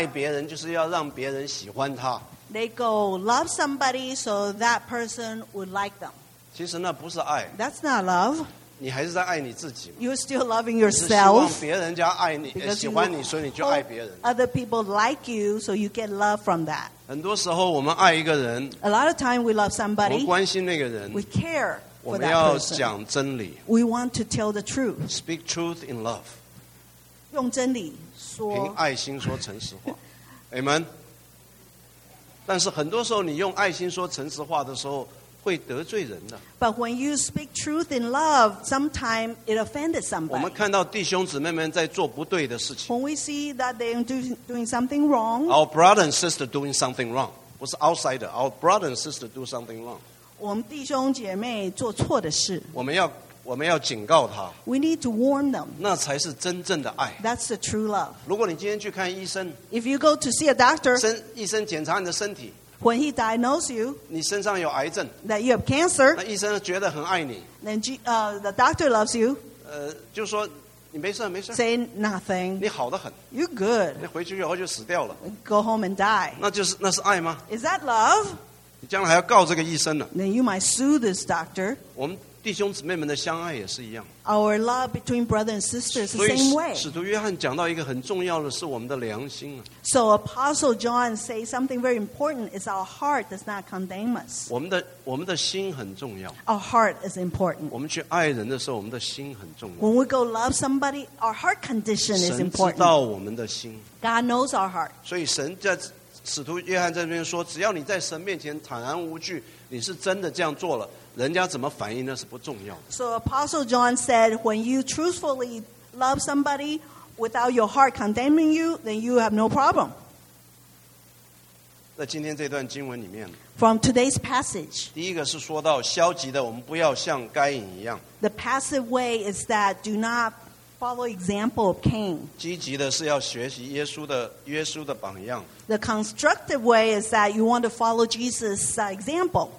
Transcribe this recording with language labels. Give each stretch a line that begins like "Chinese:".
Chinese: 很多人以为他们爱别人就是要让别人喜欢他。
English: They go love somebody so that person would like them.
Chinese: 其实那不是爱。
English: That's not love.
Chinese: 你还是在爱你自己。
English: You're still loving yourself.
Chinese: 你是希望别人家爱你, 喜欢你, 所以你就爱别人。
English: Other people like you, so you get love from that.
Chinese: 很多时候我们爱一个人,
English: a lot of time we love somebody.
Chinese: 我关心那个人,
English: we care.
Chinese: 我们要讲真理,
English: we want to tell the truth. Speak truth in love.
Chinese: 用真理说, 凭爱心说诚实话。Amen. 但是很多时候你用爱心说诚实话的时候, 会得罪人的。
English: But when you speak truth in love, sometimes it offended somebody.
Chinese: 我们看到弟兄姊妹们在做不对的事情。
English: When we see that they're doing something wrong, our brother and sister doing something wrong.
Chinese: 不是
English: outsider, our brother and sister do something wrong.
Chinese: 我们弟兄姐妹做错的事, 我们要警告他,
English: we need to warn them.
Chinese: 那才是真正的爱。
English: That's the true love.
Chinese: 如果你今天去看医生,
English: if you go to see a doctor,
Chinese: 医生检查你的身体,
English: when he diagnosed you,
Chinese: 你身上有癌症,
English: that you have cancer,
Chinese: 那医生觉得很爱你,
English: then the doctor loves you,
Chinese: 就说, 你没事, 没事,
English: say nothing,
Chinese: 你好得很,
English: you're good,
Chinese: 你回去以后就死掉了,
English: go home and die.
Chinese: 那就是爱吗?
English: Is that love?
Chinese: 你将来还要告这个医生呢?
English: Then you might sue this doctor.
Chinese: 我们弟兄姊妹们的相爱也是一样。
English: Our love between brothers and sisters is the same way.
Chinese: 使徒约翰讲到一个很重要的是我们的良心啊。
English: So Apostle John says something very important is our heart does not condemn us.
Chinese: 我们的心很重要。
English: Our heart is important.
Chinese: 我们去爱人的时候我们的心很重要。
English: When we go love somebody, our heart condition is important.
Chinese: 神知道我们的心。
English: God knows our heart.
Chinese: 所以神在 使徒约翰在这边说, 只要你在神面前坦然无惧, 你是真的这样做了, 人家怎么反应呢是不重要的。
English: So Apostle John said, when you truthfully love somebody without your heart condemning you, then you have no problem.
Chinese: 在今天这段经文里面,
English: from today's passage,
Chinese: 第一个是说到消极的, 我们不要像该隐一样。
English: The passive way is that do not follow example of Cain.
Chinese: 积极的是要学习耶稣的榜样。
English: The constructive way is that you want to follow Jesus' example.